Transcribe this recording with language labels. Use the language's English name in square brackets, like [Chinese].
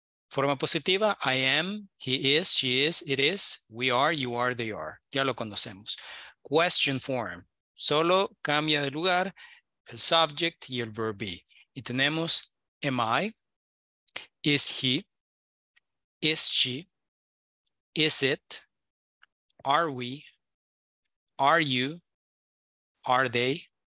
[Spanish] Forma positiva, [English] I am, he is, she is, it is, we are, you are, they are. [Spanish] Ya lo conocemos. [English] Question form. [Spanish] Solo cambia de lugar el subject y el verb be. Y tenemos [English] am I, is he, is she, is it, are we, are you, are they.